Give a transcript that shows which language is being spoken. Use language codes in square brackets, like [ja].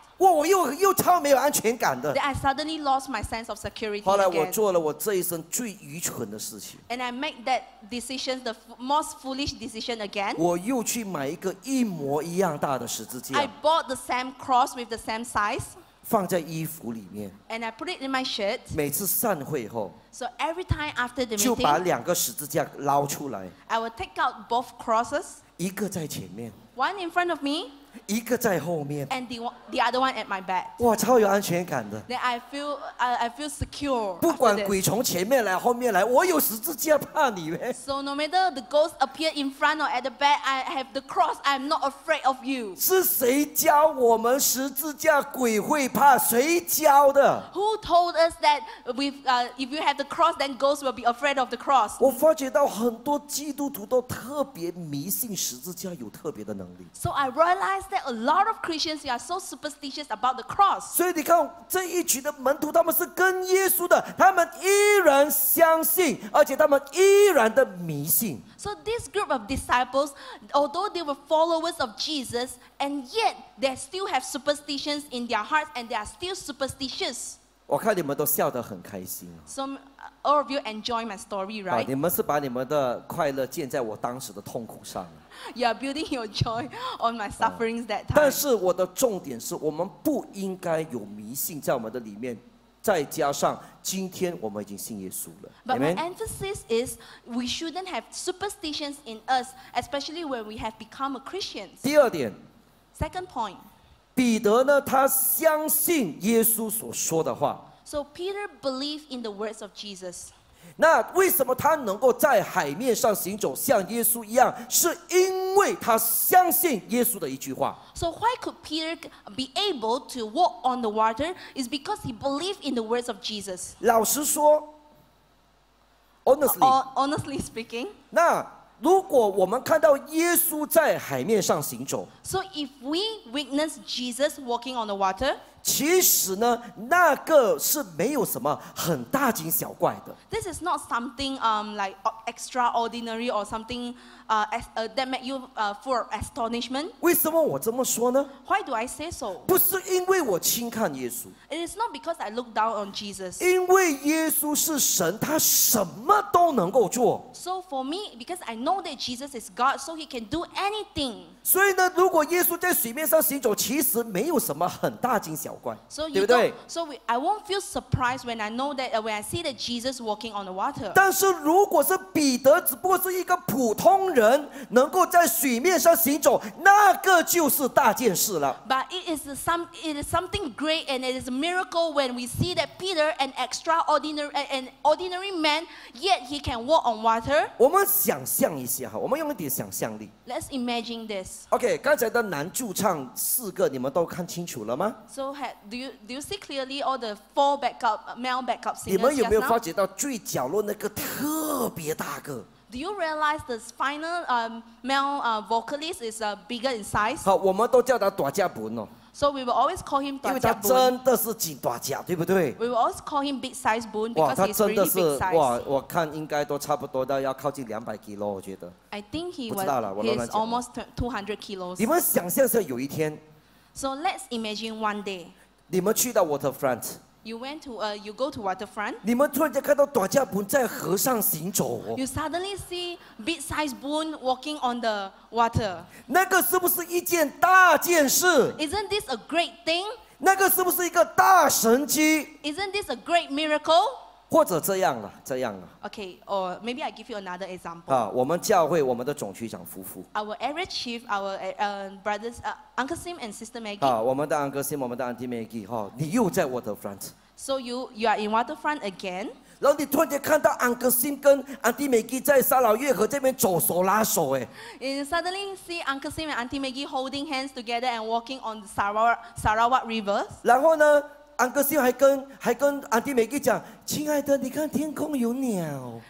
[zh] 哇我 又超没有安全感的 [en] Then I suddenly lost my sense of security [zh] 后来我做了我这一生最愚蠢的事情 [en] And I make that decision the most foolish decision again [zh] 我又去买一个一模一样大的十字架 [en] I bought the same cross with the same size [zh] 放在衣服里面 [en] And I put it in my shirt [zh] 每次散会后 [en] So every time after the meeting [zh] 就把两个十字架捞出来 [en] I will take out both crosses [zh] 一个在前面 [en] One in front of me [zh] 一个在后面 [en] and the other one at my back [zh] 哇超有安全感的 [en] then I feel secure [zh] 不管鬼从前面来后面来我有十字架怕你 [en] so no matter the ghost appear in front or at the back I have the cross I'm not afraid of you [zh] 是谁教我们十字架鬼会怕谁教的 [en] who told us that if you have the cross then ghosts will be afraid of the cross [zh] 我发觉到很多基督徒都特别迷信十字架有特别的能力 [en] so I realizedThat a lot of Christians are so superstitious about the cross. [zh] 所以你看这一群的门徒，他们是跟耶稣的，他们依然相信，而且他们依然的迷信。 [en] So this group of disciples, although they were followers of Jesus, and yet they still have superstitions in their hearts, and they are still superstitious. [zh] 我看你们都笑得很开心。 [en] So all of you enjoy my story, right? [zh] 你们是把你们的快乐建在我当时的痛苦上。 [en] You are building your joy on my sufferings that time. [zh] 但是我的重点是我们不应该有迷信在我们的里面再加上今天我们已经信耶稣了 [en] But my emphasis is we shouldn't have superstitions in us especially when we have become a Christian. [zh] 第二点 [en] Second point. [zh] 彼得呢他相信耶稣所说的话 [en] So Peter believed in the words of Jesus. [zh] 那为什么他能够在海面上行走像耶稣一样是因为他相信耶稣的一句话 [en] So why could Peter be able to walk on the water is because he believed in the words of Jesus [zh] 老实说 [en] Honestly speaking [zh] 那如果我们看到耶稣在海面上行走 [en] So if we witness Jesus walking on the water [zh] 其实呢，那个是没有什么很大惊小怪的。 [en] This is not something like extraordinary or something that make you full of astonishment. [zh] 为什么我这么说呢 [en] ？Why do I say so？ [zh] 不是因为我轻看耶稣。 [en] It is not because I look down on Jesus. [zh] 因为耶稣是神，他什么都能够做。 [en] So for me, because I know that Jesus is God, so He can do anything. [zh] 所以呢，如果耶稣在水面上行走，其实没有什么很大惊。 [en] So you don't. So I won't feel surprised when I know that when I see that Jesus walking on the water. [zh] 但是如果是彼得，只不过是一个普通人，能够在水面上行走，那个就是大件事了。 [en] But it is something great, and it is a miracle when we see that Peter, an ordinary man, yet he can walk on water. [zh] 我们想象一下哈，我们用一点想象力。 [en] Let's imagine this. [zh] Okay, 刚才的男主唱四个，你们都看清楚了吗？ [en] So do you see clearly all the four backup male backup singers? [zh] 你们有没有发觉到最角落那个特别大个 [en] Do you realize the final male vocalist is bigger in size? [zh] 好，我们都叫他大家本哦。 [en] So we will always call him 短 [zh] 脚 boon. 因为他真的是紧大脚，对不对？ [en] We will always call him big size boon because he's really big size. [zh] 哇，他真的是哇，我看应该都差不多到要靠近200 kilos, 我觉得。 [en] I think he was. [zh] 不知道了，我乱讲。 [en] He's almost 200 kilos. [zh] 你们想象一下，有一天。 [en] So let's imagine one day. [zh] 你们去到 waterfront. [en] You went to you go to waterfront. [zh] 你们突然间看到短脚 boon 在河上行走。 [en] You suddenly see big size boon walking on the water. [zh] 那个是不是一件大件事？ [en] Isn't this a great thing? [zh] 那个是不是一个大神迹？ [en] Isn't this a great miracle? [zh] 或者这样了，这样了。 [en] Okay, or maybe I give you another example. [zh] 啊，我们教会我们的总区长夫妇。 [en] Our area chief, our brothers, Uncle Sim and Sister Maggie. [zh] 啊，我们的 Uncle Sim, 我们的 Auntie Maggie, 哈，你又在 waterfront. [en] So you are in waterfront again. [zh] 然后你突然间看到 Uncle Sim 跟 Auntie Maggie 在沙老月河这边走手拉手，哎。 [en] And suddenly see Uncle Sim and Auntie Maggie holding hands together and walking on the Sarawak River. [zh] 然后呢？安哥星还跟安迪美吉讲，亲爱的，你看天空有鸟。